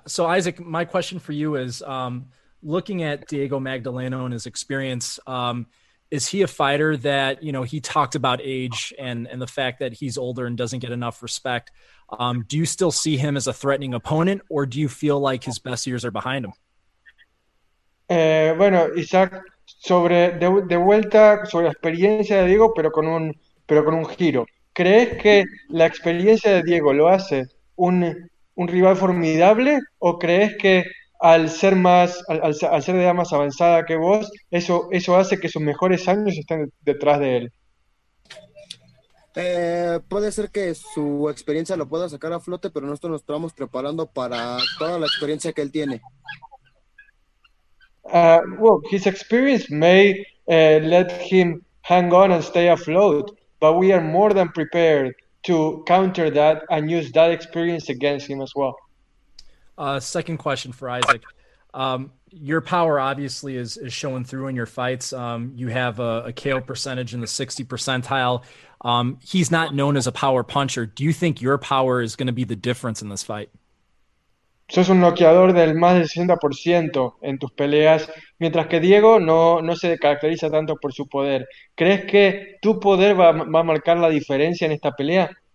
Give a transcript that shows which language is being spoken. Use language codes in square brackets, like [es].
[en] So Isaac, my question for you is, looking at Diego Magdaleno and his experience, is he a fighter that, you know, he talked about age and the fact that he's older and doesn't get enough respect. Do you still see him as a threatening opponent, or do you feel like his best years are behind him? [es] Bueno, Isaac, sobre de vuelta sobre la experiencia de Diego, pero con un giro. ¿Crees que la experiencia de Diego lo hace un rival formidable, o crees que al ser de edad más avanzada que vos, eso hace que sus mejores años estén detrás de él? Puede ser que su experiencia lo pueda sacar a flote, pero nosotros nos estamos preparando para toda la experiencia que él tiene. [en] Well, his experience may let him hang on and stay afloat, but we are more than prepared to counter that and use that experience against him as well. Second question for Isaac. Your power obviously is showing through in your fights. You have a KO percentage in the 60 percentile. He's not known as a power puncher. Do you think your power is going to be the difference in this fight? [es] Sos un noqueador del más del 60% en tus peleas, mientras que Diego no se caracteriza tanto por su poder. ¿Crees que tu poder va a marcar la diferencia en esta pelea?